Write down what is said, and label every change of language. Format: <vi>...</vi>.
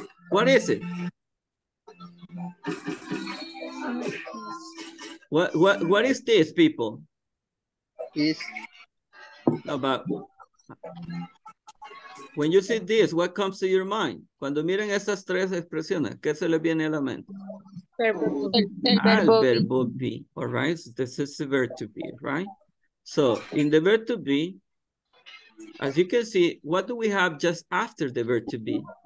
<en>What is it? What is this, people? Is about... When you see this, what comes to your mind?</en> <es>Cuando miren estas tres expresiones, ¿qué se le viene a la mente? El verbo be.</es> <en>All right, so this is the verb to be, right? So in the verb to be, as you can see, what do we have just after the verb to be?</en>